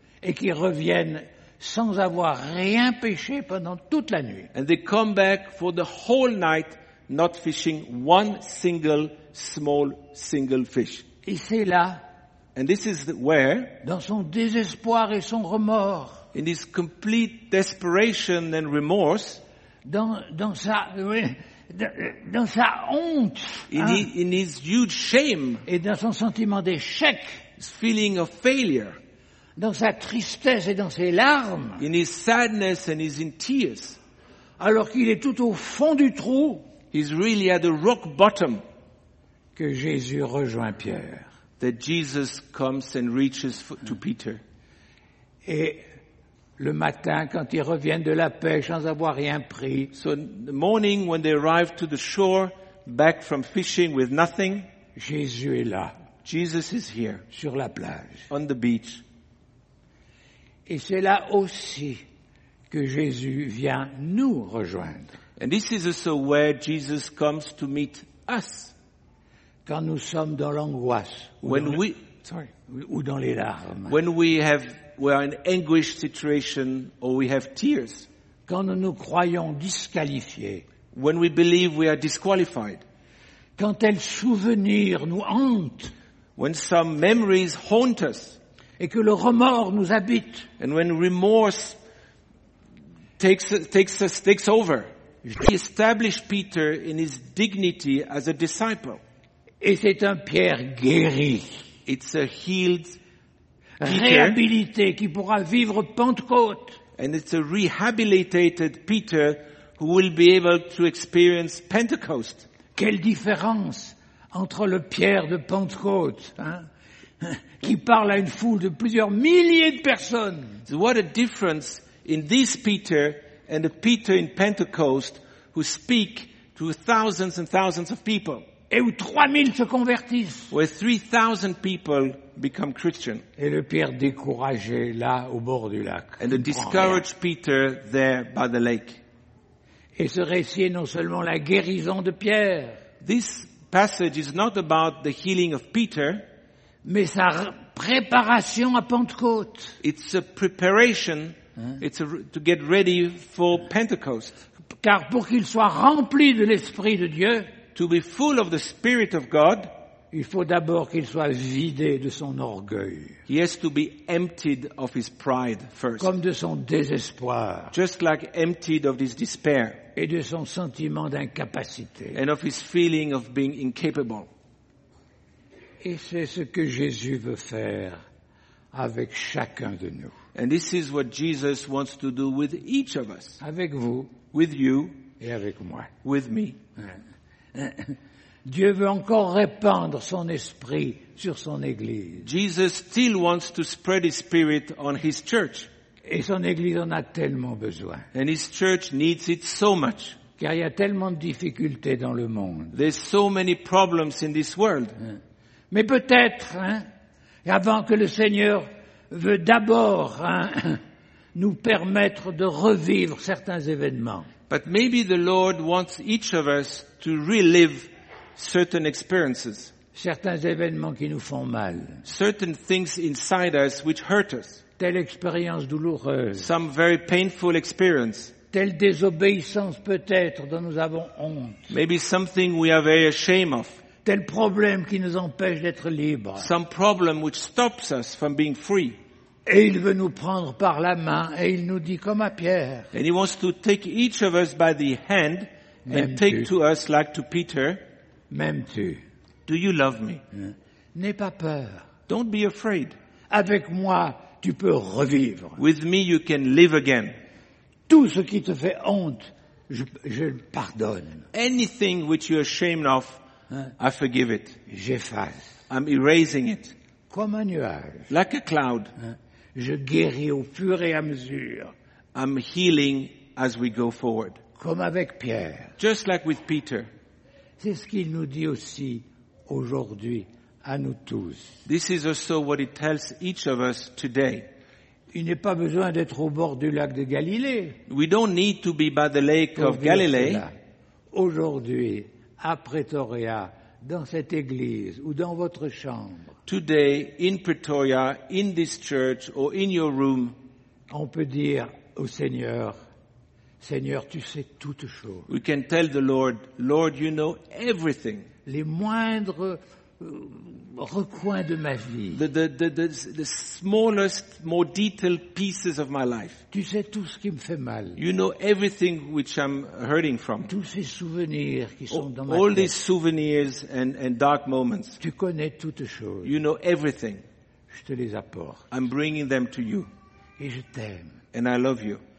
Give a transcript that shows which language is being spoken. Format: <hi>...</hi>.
<fr>Et qui reviennent sans avoir rien pêché pendant toute la nuit.</fr> <en>And they come back for the whole night not fishing one single single fish.</en> <fr>Et c'est là,</fr> <en>and this is where,</en> <fr>dans son désespoir et son remords,</fr> <en>in his complete desperation and remorse,</en> <fr>dans sa honte,</fr> <en>in his huge shame,</en> <fr>et dans son sentiment d'échec,</fr> <en>his feeling of failure,</en> <fr>dans sa tristesse et dans ses larmes,</fr> <en>in his sadness and his in tears,</en> <fr>alors qu'il est tout au fond du trou,</fr> <en>he's really at the rock bottom,</en> <fr>que Jésus rejoint Pierre.</fr> <en>That Jesus comes and reaches to Peter.</en> <fr>Et le matin, quand ils reviennent de la pêche sans avoir rien pris.</fr> <en>So the morning when they arrive to the shore, back from fishing with nothing.</en> <fr>Jésus est là.</fr> <en>Jesus is here.</en> <fr>Sur la plage.</fr> <en>On the beach.</en> <fr>Et c'est là aussi que Jésus vient nous rejoindre.</fr> <en>And this is also where Jesus comes to meet us.</en> <fr>Quand nous sommes dans l'angoisse ou dans les larmes.</fr> <en>When we are in anguish situation or we have tears.</en> <fr>Quand nous nous croyons disqualifiés.</fr> <en>When we believe we are disqualified.</en> <fr>Quand tel souvenir nous hante.</fr> <en>When some memories haunt us.</en> <fr>Et que le remords nous habite.</fr> <en>And when remorse takes over. He established Peter in his dignity as a disciple.</en> <fr>Et c'est un Pierre guéri.</fr> <en>It's a healed Peter.</en> <fr>Réhabilité qui pourra vivre Pentecôte.</fr> <en>And it's a rehabilitated Peter who will be able to experience Pentecost.</en> <fr>Quelle différence entre le Pierre de Pentecôte, qui parle à une foule de plusieurs milliers de personnes.</fr> <en>So what a difference in this Peter and the Peter in Pentecost who speak to thousands and thousands of people.</en> <fr>Et où 3000 se convertissent.</fr> <en>Where 3000 people become Christian.</en> <fr>Et le Pierre découragé là au bord du lac.</fr> <en>And the discouraged Peter there by the lake.</en> <fr>Et ce récit est non seulement la guérison de Pierre.</fr> <en>This passage is not about the healing of Peter,</en> <fr>mais sa préparation à Pentecôte.</fr> <en>It's a preparation. Hein? It's to get ready for Pentecost.</en> <fr>Car pour qu'il soit rempli de l'Esprit de Dieu,</fr> <en>to be full of the Spirit of God,</en> <fr>il faut d'abord qu'il soit vidé de son orgueil.</fr> <en>He has to be emptied of his pride first.</en> <fr>Comme de son désespoir.</fr> <en>Just like emptied of his despair.</en> <fr>Et de son sentiment d'incapacité.</fr> <en>And of his feeling of being incapable.</en> <fr>Et c'est ce que Jésus veut faire avec chacun de nous.</fr> <en>And this is what Jesus wants to do with each of us.</en> <fr>Avec vous.</fr> <en>With you.</en> <fr>Et avec moi.</fr> <en>With me.</en> <fr>Dieu veut encore répandre son esprit sur son église.</fr> <en>Jesus still wants to spread his spirit on his church.</en> <fr>Et son église en a tellement besoin.</fr> <en>And his church needs it so much.</en> <fr>Car il y a tellement de difficultés dans le monde.</fr> <en>There's so many problems in this world.</en> <fr>Mais peut-être, avant que le Seigneur veut d'abord nous permettre de revivre certains événements.</fr> <en>But maybe the Lord wants each of us to relive certain experiences.</en> <fr>Certains événements qui nous font mal.</fr> <en>Certain things inside us which hurt us.</en> <fr>Telle expérience douloureuse.</fr> <en>Some very painful experience.</en> <fr>Telle désobéissance peut-être dont nous avons honte.</fr> <en>Maybe something we are very ashamed of.</en> <fr>Tel problème qui nous empêche d'être libres.</fr> <en>Some problem which stops us from being free.</en> <fr>Et il veut nous prendre par la main et il nous dit comme à Pierre.</fr> <en>And he wants to take each of us by the hand and take to us like to Peter.</en> <fr>M'aimes-tu?</fr> <en>Do you love me?</en> <fr>N'aie pas peur.</fr> <en>Don't be afraid.</en> <fr>Avec moi, tu peux revivre.</fr> <en>With me, you can live again.</en> <fr>Tout ce qui te fait honte, je le pardonne.</fr> <en>Anything which you're ashamed of, I forgive it.</en> <fr>J'efface.</fr> <en>I'm erasing it.</en> <fr>Comme un nuage.</fr> <en>Like a cloud.</en> <fr>Je guéris au fur et à mesure.</fr> <en>I'm healing as we go forward.</en> <fr>Comme avec Pierre.</fr> <en>Just like with Peter.</en> <fr>C'est ce qu'il nous dit aussi aujourd'hui à nous tous.</fr> <en>This is also what it tells each of us today.</en> <fr>Il n'est pas besoin d'être au bord du lac de Galilée.</fr> <en>We don't need to be by the lake of Galilee.</en> <fr>Aujourd'hui, à Pretoria, dans cette église ou dans votre chambre.</fr> <en>Today in Pretoria, in this church or in your room,</en> <fr>on peut dire au Seigneur. Seigneur, tu sais toutes choses.</fr> <en>We can tell the Lord, Lord, you know everything.</en> <fr>Les moindres recoins de ma vie.</fr> <en>The smallest, more detailed pieces of my life.</en> <fr>Tu sais tout ce qui me fait mal.</fr> <en>You know everything which I'm hurting from.</en> <fr>Tous ces souvenirs qui sont dans ma tête.</fr> <en>All these souvenirs and dark moments.</en> <fr>Tu connais toutes choses.</fr> <en>You know everything.</en> <fr>Je te les apporte.</fr> <en>I'm bringing them to you.</en> <fr>Et je t'aime.</fr> <en>And I love you.</en>